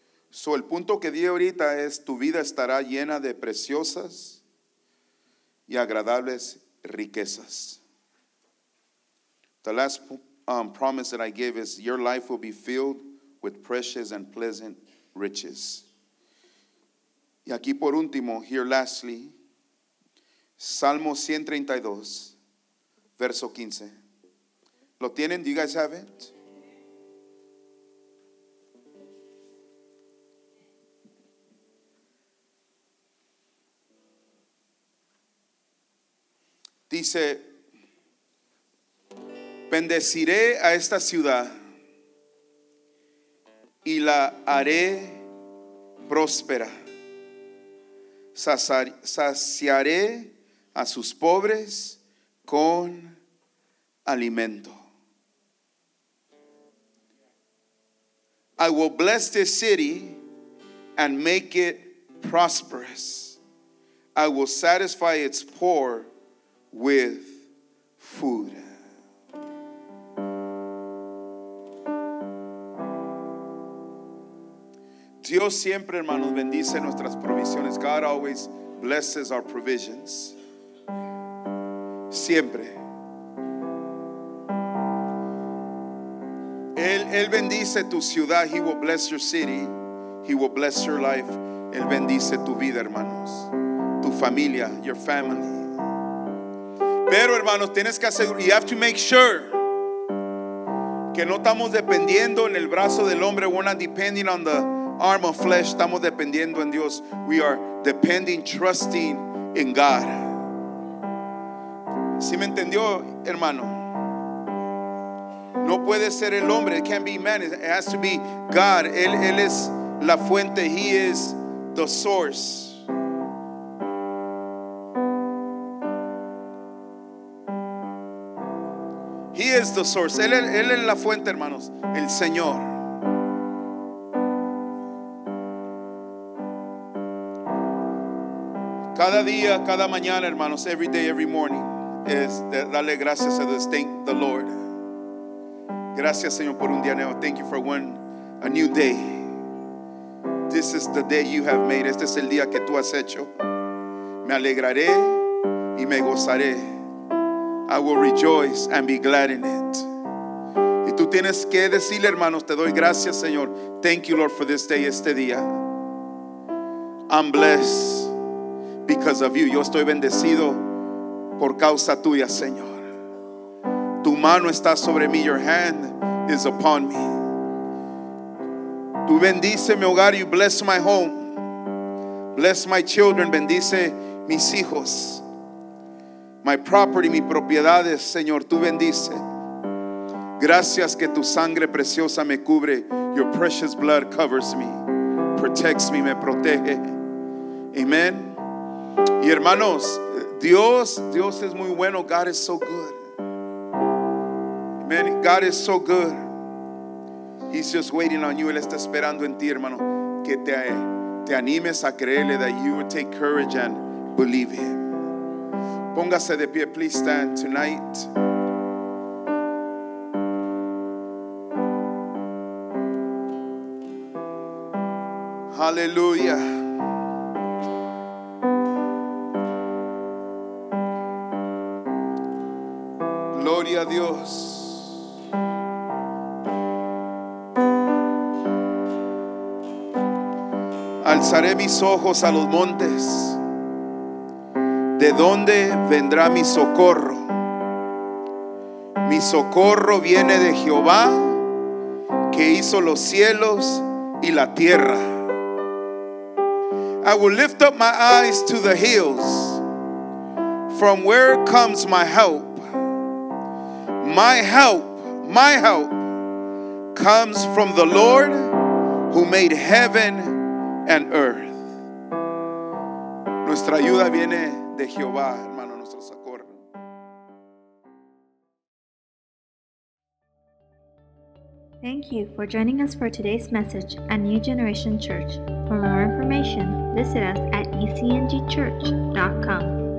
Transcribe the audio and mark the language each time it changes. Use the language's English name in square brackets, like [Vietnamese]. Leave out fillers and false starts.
[Spanish] So el punto que di ahorita es tu vida estará llena de preciosas y agradables riquezas. [English] The last promise that I gave is your life will be filled with precious and pleasant riches. [Spanish] Y aquí por último, [English] here lastly, [Spanish] Salmo 132, verso 15. ¿Lo tienen? [English] Do you guys have it? [Spanish] Dice, bendeciré a esta ciudad y la haré próspera. Saciaré a sus pobres con alimento. [English] I will bless this city and make it prosperous. I will satisfy its poor with food. [Spanish] Dios siempre, hermanos, bendice nuestras provisiones. [English] God always blesses our provisions. [Spanish] Siempre. Él bendice tu ciudad. [English] He will bless your city. He will bless your life. [Spanish] Él bendice tu vida, hermanos. Tu familia, [English] your family. [Spanish] Pero, hermanos, tienes que asegurar, [English] you have to make sure [Spanish] que no estamos dependiendo en el brazo del hombre. [English] We're not depending on the arm of flesh. [Spanish] Estamos dependiendo en Dios. [English] We are depending, trusting in God. [Spanish] ¿Sí me entendió, hermano? No puede ser el hombre. [English] It can't be man. It has to be God. [Spanish] Él es la fuente. [English] He is the source. He is the source. [Spanish] Él es la fuente, hermanos. El Señor. Cada día, cada mañana, hermanos. [English] Every day, every morning. [Spanish] Es darle gracias a Dios. [English] Thank the Lord. [Spanish] Gracias, Señor, por un día nuevo. [English] Thank you for one, a new day. This is the day you have made. [Spanish] Este es el día que tú has hecho. Me alegraré y me gozaré. [English] I will rejoice and be glad in it. [Spanish] Y tú tienes que decirle, hermanos, te doy gracias, Señor. [English] Thank you, Lord, for this day, [Spanish] este día. [English] I'm blessed because of you. [Spanish] Yo estoy bendecido por causa tuya, Señor. Tu mano está sobre mí. [English] Your hand is upon me. [Spanish] Tú bendice mi hogar. [English] You bless my home. Bless my children. [Spanish] Bendice mis hijos. [English] My property, [Spanish] mis propiedades, Señor. Tú bendice. Gracias que tu sangre preciosa me cubre. [English] Your precious blood covers me. Protects me. [Spanish] Me protege. [English] Amen. [Spanish] Y hermanos, Dios es muy bueno. [English] God is so good. Man, God is so good. He's just waiting on you. [Spanish] Él está esperando en ti, hermano, que te animes a creerle. [English] That you would take courage and believe him. [Spanish] Póngase de pie. [English] Please stand tonight. Hallelujah. [Spanish] Gloria a Dios. Alzaré mis ojos a los montes. ¿De dónde vendrá mi socorro? Mi socorro viene de Jehová, que hizo los cielos y la tierra. [English] I will lift up my eyes to the hills. From where comes my help? My help, my help comes from the Lord who made heaven and earth. [Spanish] Nuestra ayuda viene de Jehová, hermano, nuestro socorro. [English] Thank you for joining us for today's message at New Generation Church. For more information, visit us at ecngchurch.com.